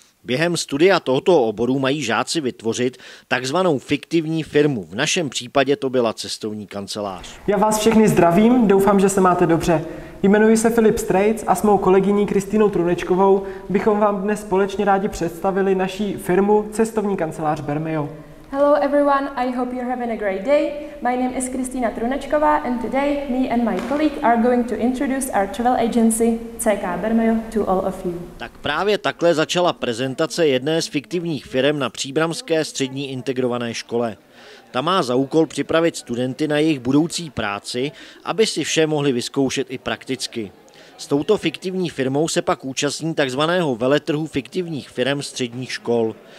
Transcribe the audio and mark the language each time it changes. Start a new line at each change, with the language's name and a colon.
Czech: Během studia tohoto oboru mají žáci vytvořit takzvanou fiktivní firmu. V našem případě to byla cestovní kancelář. Já vás všechny zdravím, doufám, že se máte dobře. Jmenuji se Filip Strejc a s mou kolegyní Kristýnou Trunečkovou bychom vám dnes společně rádi představili naši firmu Cestovní kancelář Bermejo.
English: Hello everyone, I hope you're having a great day. My name is Kristýna Trunečková and today me and my colleague are going to introduce our travel agency CK Bermejo to all of you.
Czech: Tak právě takhle začala prezentace jedné z fiktivních firm na Příbramské střední integrované škole. Ta má za úkol připravit studenty na jejich budoucí práci, aby si vše mohli vyzkoušet i prakticky. S touto fiktivní firmou se pak účastní takzvaného veletrhu fiktivních firm středních škol.